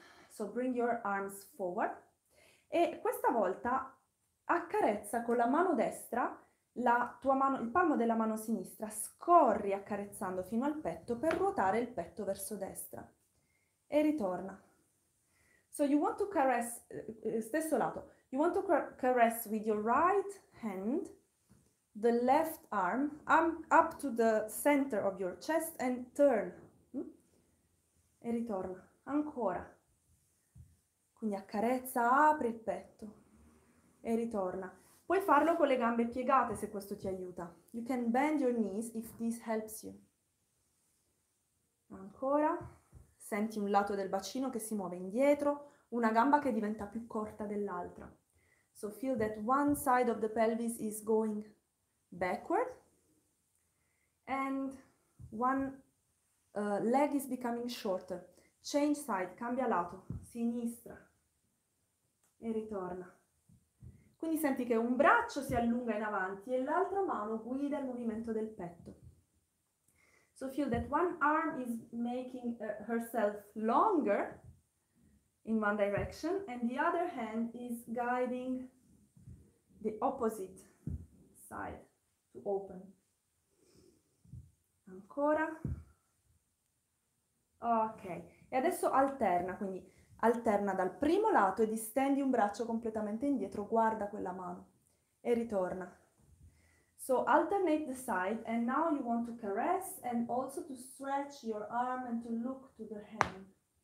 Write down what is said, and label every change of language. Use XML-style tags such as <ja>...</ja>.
<en>So bring your arms forward.</en> <it>E questa volta accarezza con la mano destra la tua mano, il palmo della mano sinistra, scorri accarezzando fino al petto per ruotare il petto verso destra e ritorna.</it> <en>So you want to caress,</en> <it>stesso lato,</it> <en>you want to caress with your right hand the left arm up to the center of your chest and turn.</en> <it>E ritorna, ancora. Quindi accarezza, apri il petto e ritorna. Puoi farlo con le gambe piegate se questo ti aiuta.</it> <en>You can bend your knees if this helps you.</en> <it>Ancora. Senti un lato del bacino che si muove indietro, una gamba che diventa più corta dell'altra.</it> <en>So feel that one side of the pelvis is going backward and one leg is becoming shorter. Change side,</en> <it>cambia lato, sinistra. E ritorna. Quindi senti che un braccio si allunga in avanti e l'altra mano guida il movimento del petto.</it> <en>So feel that one arm is making herself longer in one direction and the other hand is guiding the opposite side to open.</en> <it>Ancora. Ok. E adesso alterna, quindi alterna dal primo lato e distendi un braccio completamente indietro, guarda quella mano e ritorna.</it> <en>So alternate the side and now you want to caress and also to stretch your arm and to look to the hand.</en>